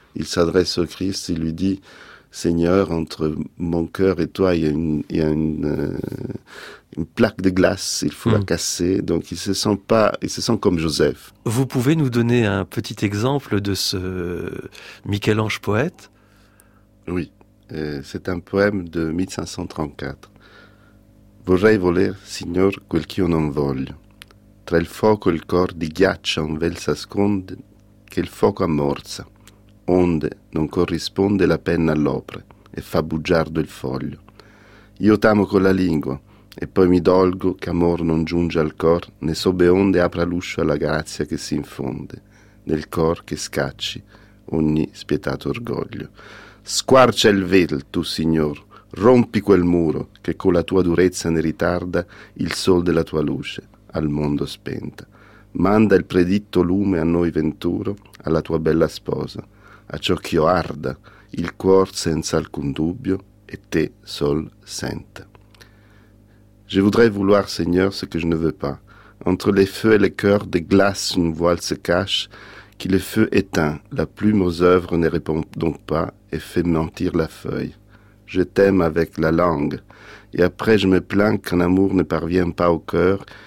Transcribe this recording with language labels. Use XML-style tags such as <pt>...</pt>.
<fr>Il s'adresse au Christ, il lui dit « Seigneur, entre mon cœur et toi, il y a une plaque de glace, il faut la casser. » Donc il se sent comme Joseph. Vous pouvez nous donner un petit exemple de ce Michel-Ange poète ? Oui. C'est un poème de 1534.</fr> <it>Vorrei voler, signor, quel ch'io non voglio. Tra il fuoco e il cor di ghiaccio un vel s'asconde, che il fuoco ammorza, onde non corrisponde la penna all'opre e fa bugiardo il foglio. Io t'amo con la lingua, e poi mi dolgo che amor non giunge al cor, né sobbe onde apra l'uscio alla grazia che si infonde, nel cor che scacci ogni spietato orgoglio. Squarcia il vel, tu signor, rompi quel muro che con la tua durezza ne ritarda il sol della tua luce al mondo spenta. Manda il predetto lume a noi venturo, alla tua bella sposa, a ciò ch'io arda il cuor senza alcun dubbio e te sol senta.</it> <fr>Je voudrais vouloir, seigneur, ce que je ne veux pas. Entre les feux et les cœurs des glaces une voile se cache, qui le feu éteint, la plume aux œuvres ne répond donc pas et fait mentir la feuille. Je t'aime avec la langue, et après je me plains qu'un amour ne parvient pas au cœur</fr>